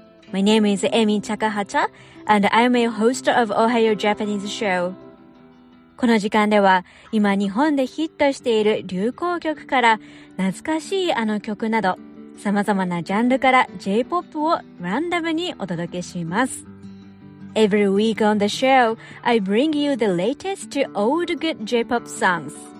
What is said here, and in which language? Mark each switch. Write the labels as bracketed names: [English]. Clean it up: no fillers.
[English] My name is Amy Takahata, and I'm a host of Ohio Japanese Show. [Japanese] この時間では、今日本でヒットしている流行曲から、懐かしいあの曲など、様々なジャンルから J-POP をランダムにお届けします。 [English] Every week on the show, I bring you the latest to old good J-POP songs.